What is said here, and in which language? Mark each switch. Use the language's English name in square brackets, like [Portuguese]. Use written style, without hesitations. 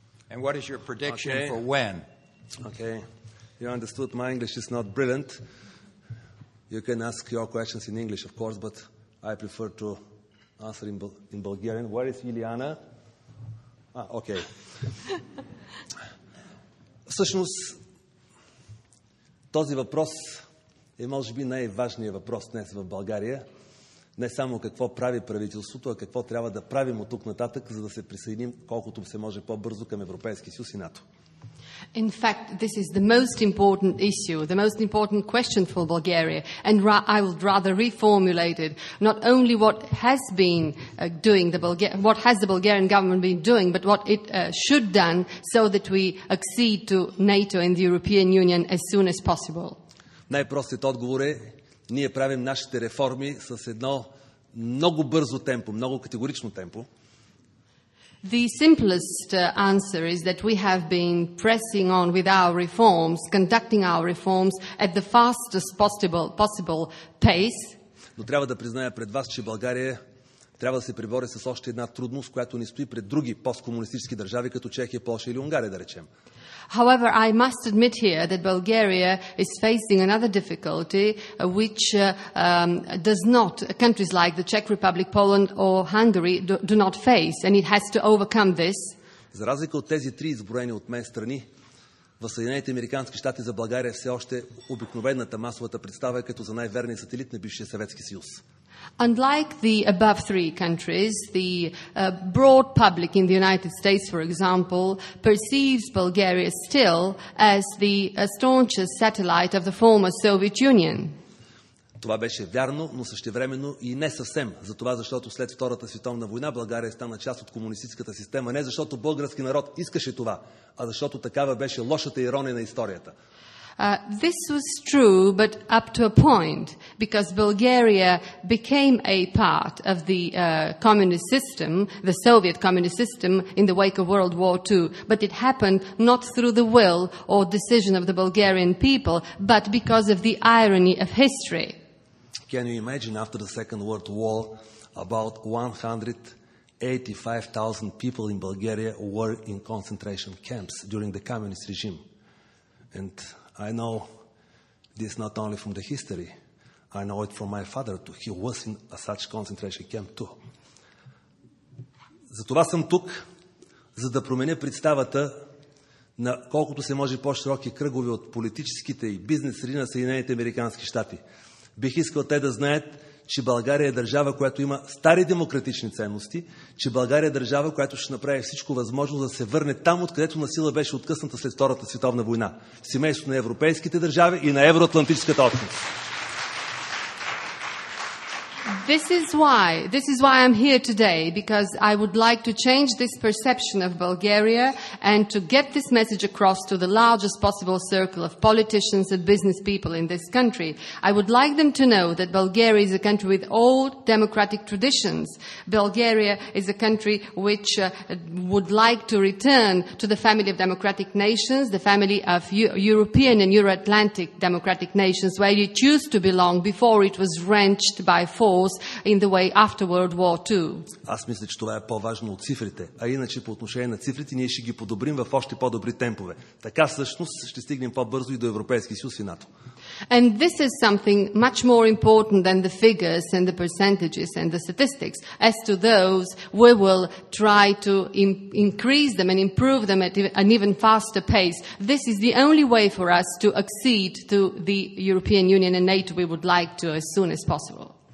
[English] And what is your prediction for when? Okay. You understood my English is not brilliant. You can ask your questions in English, of course, but I prefer to answer in Bulgarian. Where is Iliana? Okay. [Bulgarian] Всъщност, този въпрос е може би най-важният въпрос днес в България. Не само какво прави правителството, а какво трябва да правим от тук нататък, за да се присъединим колкото се може по-бързо към Европейския съюз и НАТО. [English] In fact, this is the most important issue, the most important question for Bulgaria, and I would rather reformulate it, not only what has been what has the Bulgarian government been doing, but what it should done so that we accede to NATO and the European Union as soon as possible. [Bulgarian] Най-простият отговор е, ние правим нашите реформи с едно много бързо темпо, много категорично темпо. [English] The simplest answer is that we have been pressing on with our reforms, conducting our reforms at the fastest possible pace. [Bulgarian] Но трябва да призная пред вас, че България трябва да се пребори с още една трудност, която ни стои пред други посткомунистически държави, като Чехия, Полша или Унгария, да речем. [English] However, I must admit here that Bulgaria is facing another difficulty, which does not countries like the Czech Republic, Poland or Hungary do not face, and it has to overcome this. [Bulgarian] За разлика от тези три изброени от мен страни, в Съединените американски щати за България все още обикновената масовата представа е като за най-верния сателит на бившия Съветски съюз. [English] Unlike the above three countries, the broad public in the United States, for example, perceives Bulgaria still as the staunchest satellite of the former Soviet Union. [Bulgarian] Това беше вярно, но същевременно и не съвсем. Затова, защото след Втората световна война България стана част от комунистическата система. Не защото български народ искаше това, а защото такава беше лошата ирония на историята. [English] This was true, but up to a point, because Bulgaria became a part of the communist system, the Soviet communist system, in the wake of World War II, but it happened not through the will or decision of the Bulgarian people, but because of the irony of history. Can you imagine after the Second World War, about 185,000 people in Bulgaria were in concentration camps during the communist regime? And I know this not only from the history, I know it from my father too. He was in a such concentration camp too. [Bulgarian] Затова съм тук, за да променя представата на колкото се може по-широки кръгове от политическите и бизнес среди на Съединените американски щати. Бих искал те да знаят, че България е държава, която има стари демократични ценности, че България е държава, която ще направи всичко възможно да се върне там, откъдето насила беше откъсната след Втората световна война. Семейство на европейските държави и на евроатлантическата общност. [English] This is why I'm here today, because I would like to change this perception of Bulgaria and to get this message across to the largest possible circle of politicians and business people in this country. I would like them to know that Bulgaria is a country with old democratic traditions. Bulgaria is a country which would like to return to the family of democratic nations, the family of European and Euro-Atlantic democratic nations, where it used to belong before it was wrenched by force in the way after World War II. [Bulgarian] Аз мисля, че това е по-важно от цифрите. А иначе по отношение на цифрите, ние ще ги подобрим в още по-добри темпове. Така всъщност ще стигнем по-бързо и до Европейския съюз и НАТО. [English] And this is something much more important than the figures and the percentages and the statistics. As to those, we will try to increase them and improve them at an even faster pace. This is the only way for us to accede to the European Union and NATO we would like to as soon as possible.